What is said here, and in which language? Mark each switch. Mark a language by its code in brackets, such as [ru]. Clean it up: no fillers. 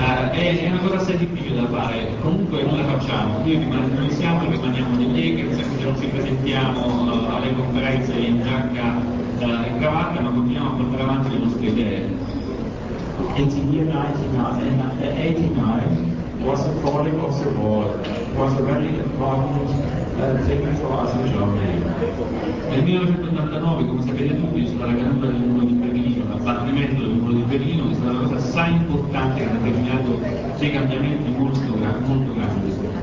[it] È una cosa assai difficile da fare, comunque noi la facciamo, noi siamo e rimaniamo degli hackers, anche se non ci presentiamo alle conferenze in giacca e cravatta, ma continuiamo a portare avanti le nostre idee. [en] In the year 1989 was the falling of the wall, was a very important thing for us in Germany. [it] Nel 1989, come sapete tutti, c'è stata la caduta del muro di Berlino, l'abbattimento del muro di Berlino, che è stata una cosa assai importante, che ha determinato dei cambiamenti molto, molto grandi.